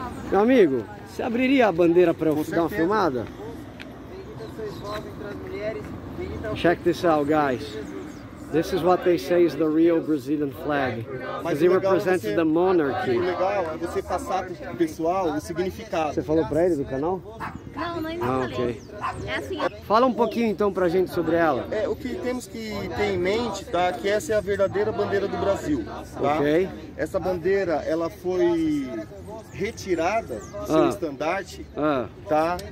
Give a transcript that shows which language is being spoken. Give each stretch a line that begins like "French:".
Portuguese: Meu amigo, você abriria a bandeira para eu dar uma filmada?
English: Check this out, guys. This is what they say is the real Brazilian flag. Because it represents the monarchy.
Portuguese: O legal é você passar pro pessoal o significado. Você falou para ele do canal? Não, não é assim. Fala um pouquinho então pra gente sobre ela. É, o que temos que ter em mente, tá? Que essa é a verdadeira bandeira do Brasil. Tá? Ok. Essa bandeira, ela foi retirada, seu estandarte, tá?